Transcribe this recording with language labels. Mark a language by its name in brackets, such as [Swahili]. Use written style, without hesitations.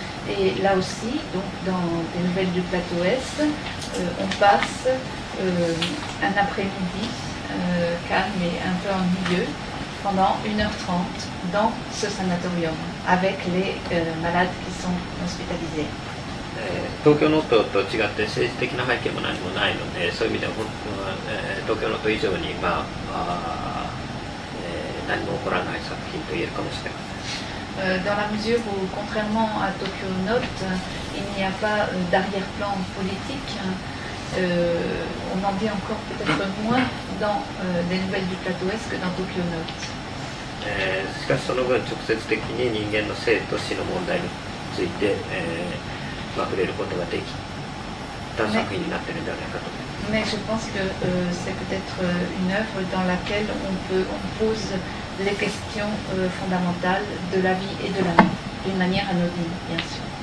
[French] Et là aussi, donc, dans les nouvelles du plateau S, on passe un après-midi calme et un peu ennuyeux pendant 1h30 dans ce sanatorium avec les malades qui sont hospitalisés. [Japanese] Tokyo Noto と違って政治的な背景も何もないので、そういう意味では本当は Tokyo Noto 以上に、まあ何も起こらない作品と言えるかもしれません。 [French] Dans la mesure où, contrairement à Tokyo Note, il n'y a pas d'arrière-plan politique, on en dit encore peut-être moins dans les nouvelles du plateau S que dans Tokyo Note. [Japanese] しかしその分直接的に人間の生と死の問題について、触れることができた作品になっているんじゃないかと。 [French] Mais je pense que c'est peut-être une œuvre dans laquelle on pose les questions fondamentales de la vie et de la mort, d'une manière anodine, bien sûr.